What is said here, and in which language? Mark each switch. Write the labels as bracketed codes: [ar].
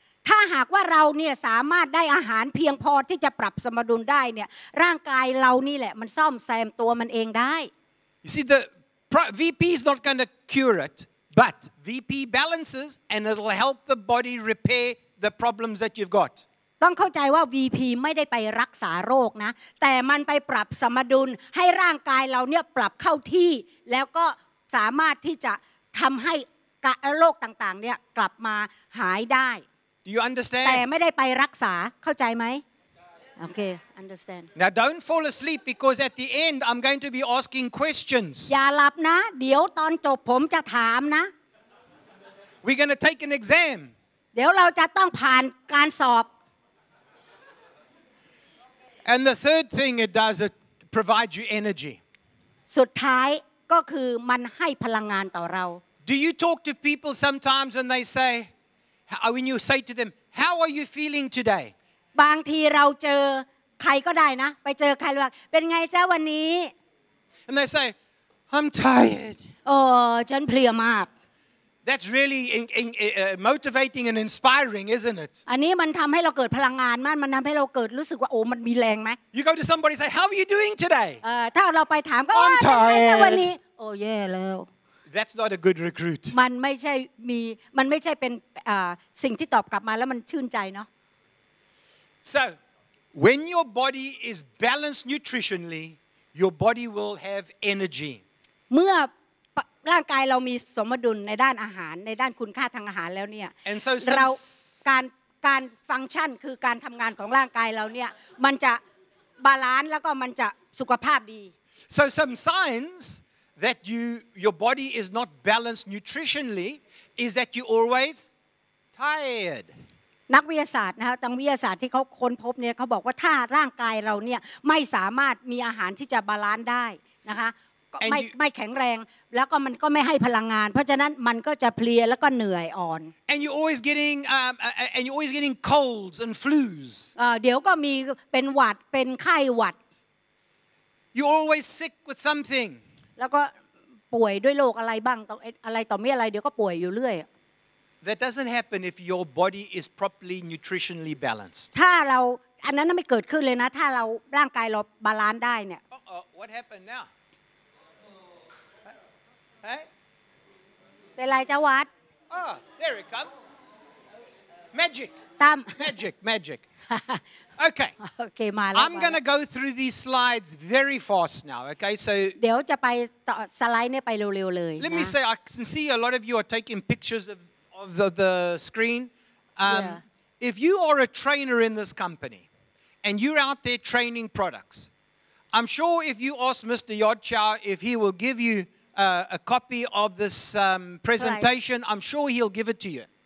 [th] ถ้าหากว่าเราเนี่ยสามารถได้อาหารเพียงพอที่จะปรับสมดุลได้เนี่ยร่างกายเรานี่แหละมันซ่อมแซมตัวมันเองได้ [en] You see the VP is not going to cure it but VP balances and it'll help the body repair the problems that you've got [th] ต้องเข้าใจว่า VP ไม่ได้ไปรักษาโรคนะแต่มันไปปรับสมดุลให้ร่างกายเราเนี่ยปรับเข้าที่แล้วก็สามารถที่จะทำให้โรคต่างๆเนี่ยกลับมาหายได้ [en] Do you understand [th] แต่ไม่ได้ไปรักษาเข้าใจไหมโอเค [en] understand Now don't fall asleep because at the end I'm going to be asking questions [th] อย่าหลับนะเดี๋ยวตอนจบผมจะถามนะ [en] We're going to take an exam [th] เดี๋ยวเราจะต้องผ่านการสอบ [en] And the third thing it does it provides you energy. [th] สุดท้ายก็คือมันให้พลังงานต่อเรา [en] Do you talk to people sometimes and they say when you say to them how are you feeling today? [th] บางทีเราเจอใครก็ได้นะไปเจอใครว่าเป็นไงเจ้าวันนี้ [en] And they say I'm tired. [th] ฉันเพลียมาก [en] That's really motivating and inspiring, isn't it? [th] อันนี้มันทำให้เราเกิดพลังงานมากมันทำให้เราเกิดรู้สึกว่าโอ้มันมีแรงไหม [en] You go to somebody say, "How are you doing today?" [th] ถ้าเราไปถามก็ว่าเป็นไงวันนี้โอ้แย่แล้ว [en] That's not a good recruit. [th] มันไม่ใช่เป็นสิ่งที่ตอบกลับมาแล้วมันชื่นใจเนาะ [en] So, when your body is balanced nutritionally, your body will have energy. [th] เมื่อร่างกายเรามีสมดุลในด้านอาหารในด้านคุณค่าทางอาหารแล้วเนี่ย [en] so [th] เราการฟังก์ชันคือการทํางานของร่างกายเราเนี่ยมันจะบาลานซ์แล้วก็มันจะสุขภาพดี [en] So some signs that your body is not balanced nutritionally is that you always tired [th] นักวิทยาศาสตร์นะฮะทางวิทยาศาสตร์ที่เค้าค้นพบเนี่ยเค้าบอกว่าถ้าร่างกายเราเนี่ยไม่สามารถมีอาหารที่จะบาลานซ์ได้นะคะไม่แข็งแรงแล้วก็มันก็ไม่ให้พลังงานเพราะฉะนั้นมันก็จะเพลียแล้วก็เหนื่อยอ่อน [en] And you always getting and you always getting colds and flus [th] เดี๋ยวก็มีเป็นหวัดเป็นไข้หวัด [en] You always sick with something [th] แล้วก็ป่วยด้วยโรคอะไรบ้างอะไรต่อมีอะไรเดี๋ยวก็ป่วยอยู่เรื่อย [en] That doesn't happen if your body is properly nutritionally balanced [th] ถ้าเราอันนั้นไม่เกิดขึ้นเลยนะถ้าเราร่างกายเราบาลานซ์ได้เนี่ย [en] What happened now [th] เป็นไรจ้าวัด [en] Oh, there it comes. Magic. [th] ตาม [en] Magic, magic. Okay. [th] Okay, มาแล้ว [en] I'm gonna go through these slides very fast now. Okay, so [th] เดี๋ยวจะไปต่อสไลด์เนี่ยไปเร็วๆเลย [en] Let me say, I can see a lot of you are taking pictures of the screen. If you are a trainer in this company, and you're out there training products, I'm sure if you ask Mr. Yodchow if he will give youa copy of this presentation I'm sure he'll give it to you